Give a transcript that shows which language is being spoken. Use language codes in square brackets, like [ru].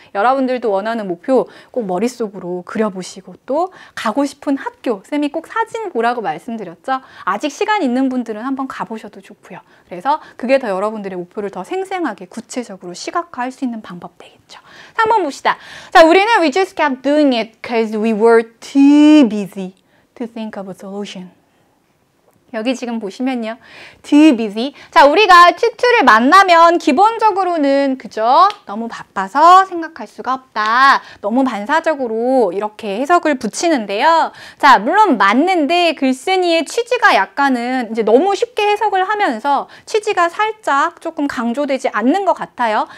[ko] 여러분들도 원하는 목표 꼭 머릿속으로 그려보시고 또 가고 싶은 학교 쌤이 꼭 사진 보라고 말씀드렸죠. 아직 시간 있는 분들은 한번 가보셔도 좋고요. 그래서 그게 더 여러분들의 목표를 더 생생하게 구체적으로 시각화할 수 있는 방법 되겠죠. 한번 봅시다. 자 우리는 [en] we just kept doing it because we were too busy to think of a solution. [ko] 여기 지금 보시면요. [en] Too busy. [ko] 자, 우리가 to를 만나면 기본적으로는 그죠? 너무 바빠서 생각할 수가 없다. 너무 반사적으로 이렇게 해석을 붙이는데요. 자, 물론 맞는데 글쓴이의 취지가 약간은 이제 너무 쉽게 해석을 하면서 취지가 살짝 조금 강조되지 않는 것 같아요.